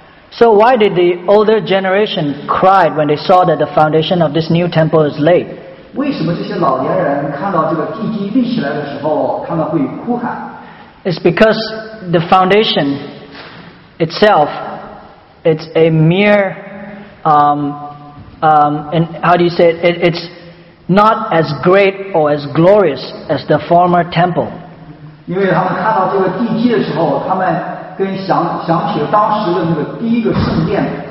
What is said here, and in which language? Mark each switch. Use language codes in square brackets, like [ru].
[en] ？So why did the older generation cried when they saw that the foundation of this new temple is laid？ [zh] 为什么这些老年人看到这个地基立起来的时候，他们会哭喊 [en] ？It's because the foundation. Itself, it's a mere, and how do you say it? It's not as great or as glorious as the former temple. Because they saw this foundation, they compared it to the first temple.